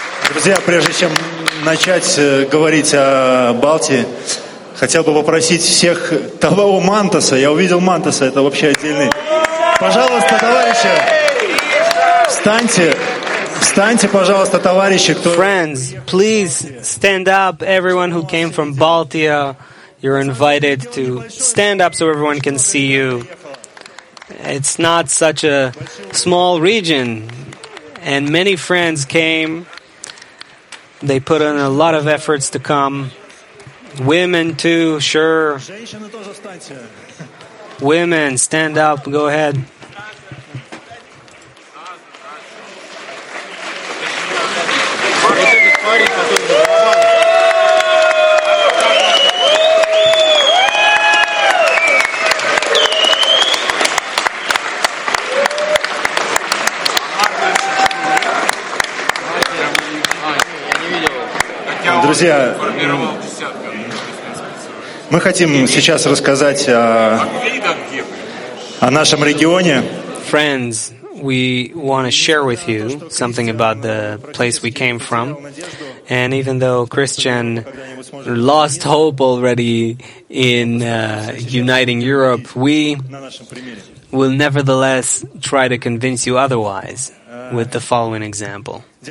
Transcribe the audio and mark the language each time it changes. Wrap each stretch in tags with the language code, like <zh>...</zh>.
<ru>Друзья, прежде чем начать говорить о Балтии, хотел бы попросить всех того у Мантаса. Я увидел Мантаса, это вообще отдельный. Пожалуйста, товарищи, встаньте. Встаньте, пожалуйста, товарищи, кто...</ru> <en>Friends, please stand up. Everyone who came from Baltia, you're invited to stand up so everyone can see you. It's not such a small region. And many friends came. They put in a lot of efforts to come. Women too, sure. Women, stand up, go ahead.</en> <ru>Друзья, мы хотим сейчас рассказать о нашем регионе.</ru> <en>Friends, we want to share with you something about the place we came from. And even though Christian lost hope already in uniting Europe, we will nevertheless try to convince you otherwise with the following example.</en>